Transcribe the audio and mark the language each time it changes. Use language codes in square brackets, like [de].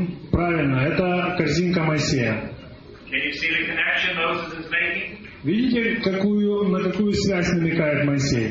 [ru] Правильно, это корзинка Моисея. [en] Can you see the connection Moses is making? [ru] Видите, на какую связь намекает Моисей?